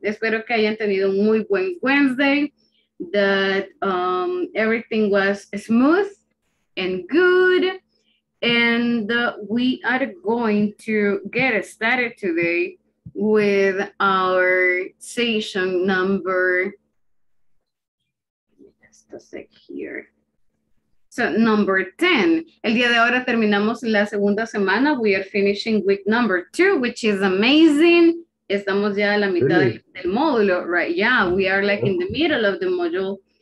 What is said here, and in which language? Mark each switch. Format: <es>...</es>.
<es>Espero que hayan tenido un muy buen Wednesday,</es> <en>that everything was smooth and good. And we are going to get started today with our session number, just a sec here. So number 10.</en> <es>El día de ahora terminamos la segunda semana.</es> <en>We are finishing week number 2, which is amazing.</en> <es>Estamos ya a la mitad del módulo,</es> <en>right? Yeah, we are like in the middle of the module.</en>